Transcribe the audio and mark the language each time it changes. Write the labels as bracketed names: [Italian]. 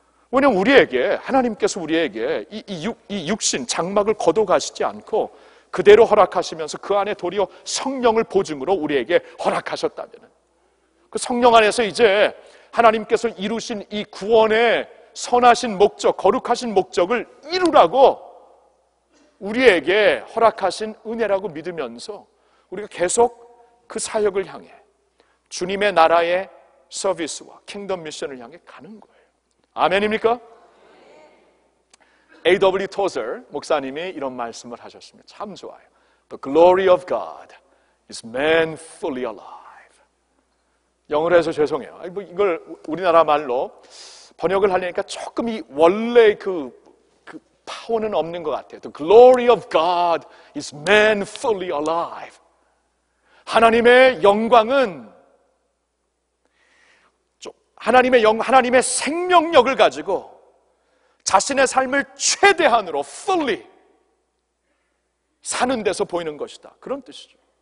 [Korean] 왜냐하면 우리에게, 하나님께서 우리에게 이 육신, 장막을 걷어가시지 않고 그대로 허락하시면서 그 안에 도리어 성령을 보증으로 우리에게 허락하셨다면 그 성령 안에서 이제 하나님께서 이루신 이 구원의 선하신 목적, 거룩하신 목적을 이루라고 우리에게 허락하신 은혜라고 믿으면서 우리가 계속 그 사역을 향해 주님의 나라의 서비스와 킹덤 미션을 향해 가는 거예요. 아멘입니까? A.W. Tozer 목사님이 이런 말씀을 하셨습니다. 참 좋아요. [English] The glory of God is man fully alive. [Korean] 영어로 해서 죄송해요. 뭐 이걸 우리나라 말로 번역을 하려니까 조금 이 원래 그 파워는 없는 것 같아요. [English] The glory of God is man fully alive. [Korean] 하나님의 영광은 하나님의 생명력을 가지고 자신의 삶을 최대한으로 fully 사는 데서 보이는 것이다. 그런 뜻이죠.